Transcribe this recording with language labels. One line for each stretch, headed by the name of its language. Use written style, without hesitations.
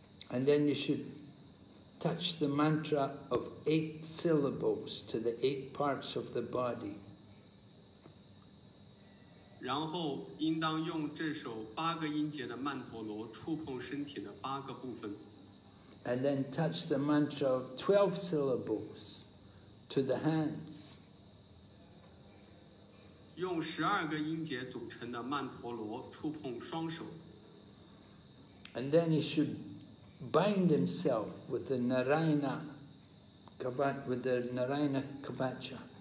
English: And then you should touch the mantra of eight syllables to the eight parts of the body.
Chinese: 然后应当用这首八个音节的曼陀罗触碰身体的八个部分。
English: And then touch the mantra of 12 syllables to the hands.
Chinese: 用12个音节组成的曼陀罗触碰双手。
English: And then he should bind himself with the Narayana Kavach, with the Narayana Kavacha.